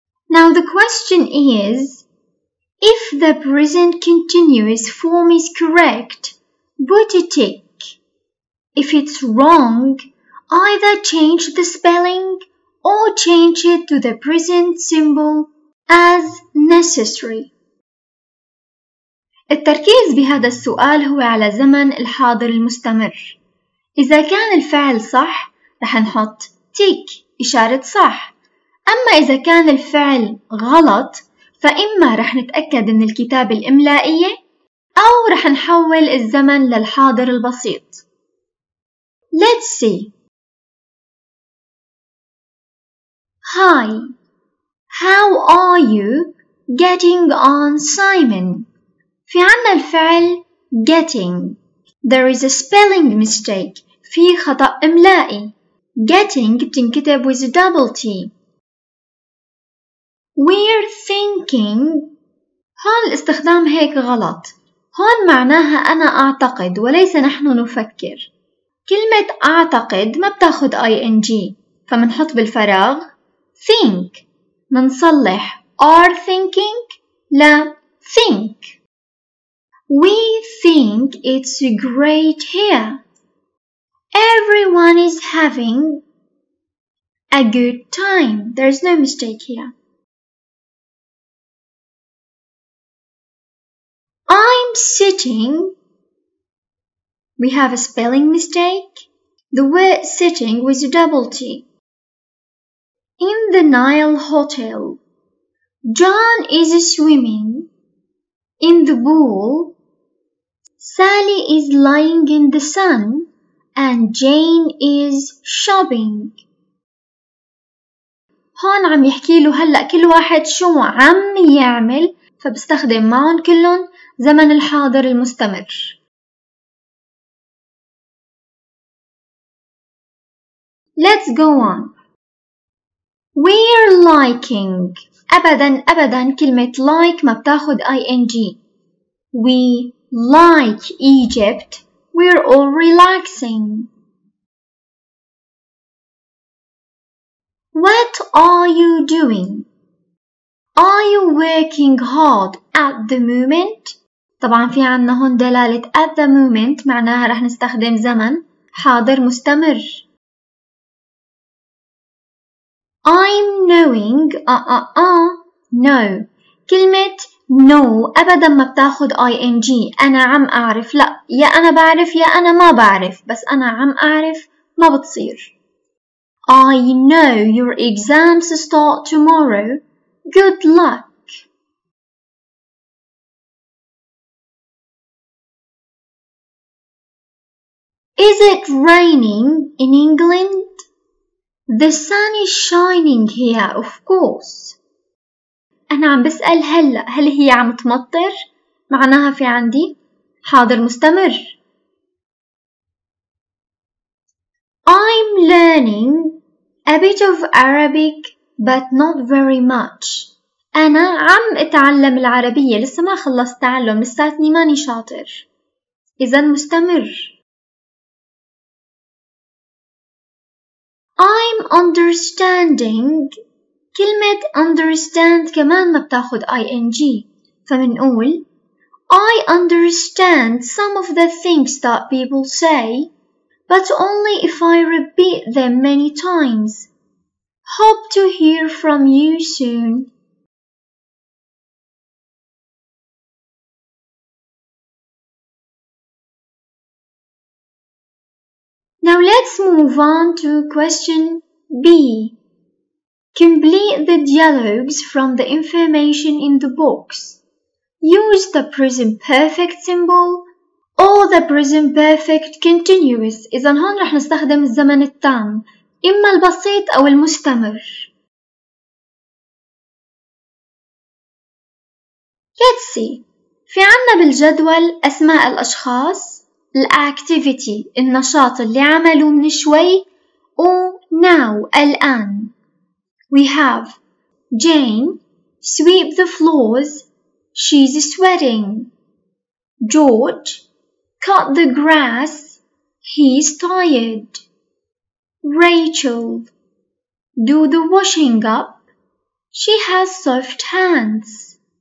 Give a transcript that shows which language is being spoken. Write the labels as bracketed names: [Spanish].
[English] Now the question is, if the present continuous form is correct, put a tick. If it's wrong, either change the spelling or change it to the present symbol as necessary. [Arabic] التركيز بهذا السؤال هو على زمن الحاضر المستمر. إذا كان الفعل صح، رح نحط تيك إشارة صح. أما إذا كان الفعل غلط، فإما رح نتأكد من الكتابة الإملائية أو رح نحول الزمن للحاضر البسيط. [English] Let's see. Hi. How are you getting on, Simon? [Arabic] في عنا الفعل getting. [English] There is a spelling mistake. [Arabic] في خطأ إملائي. Getting بتنكتب [English] with double T. We're thinking. [Arabic] هون الاستخدام هيك غلط. هون معناها أنا أعتقد وليس نحن نفكر. كلمة أعتقد ما بتاخد ING، فمنحط بالفراغ think. منصلح [English] are thinking [Arabic] لا think. [English] We think it's great here. Everyone is having a good time. There's no mistake here. I'm sitting. We have a spelling mistake. The word sitting with a double T. In the Nile Hotel. John is swimming in the pool. Sally is lying in the sun. And Jane is shopping. [Arabic] هون عم يحكي له هلأ كل واحد شو عم يعمل، فبستخدم معهم كلهم زمن الحاضر المستمر. [English] Let's go on. We're liking. [Arabic] أبدا أبدا كلمة like ما بتاخد ing. [English] We like Egypt. We're all relaxing. What are you doing? Are you working hard at the moment? [Arabic] طبعا في عنا هون دلالة [English] at the moment، [Arabic] معناها رح نستخدم زمن حاضر مستمر. [English] I'm knowing no. [Arabic] كلمة no أبدا ما بتاخد ing. أنا عم أعرف، لا يا أنا بعرف يا أنا ما بعرف، بس أنا عم أعرف ما بتصير. [English] I know your exams start tomorrow. Good luck. Is it raining in England? The sun is shining here, of course. [Arabic] أنا عم بسأل هلأ هل هي عم تمطر؟ معناها في عندي حاضر مستمر. [English] I'm learning a bit of Arabic but not very much. [Arabic] أنا عم أتعلم العربية، لسه ما خلصت تعلم، لساتني ماني شاطر. إذا مستمر. [English] I'm understanding. [Arabic] كلمة understand كمان ما بتاخد ing، فمنقول [English] I understand some of the things that people say، [Arabic] ب [English] but only if I repeat them many times. Hope to hear from you soon. Now let's move on to question B. Complete the dialogues from the information in the box. Use the present perfect symbol or the present perfect continuous. [Arabic] إذن هون رح نستخدم الزمن التام إما البسيط أو المستمر. [English] Let's see. [Arabic] في عنا بالجدول أسماء الأشخاص, الأكتيفيتي النشاط اللي عملوا من شوي, و now الآن. [English] We have Jane sweep the floors, she's sweating. George cut the grass, he's tired. Rachel do the washing up, she has soft hands.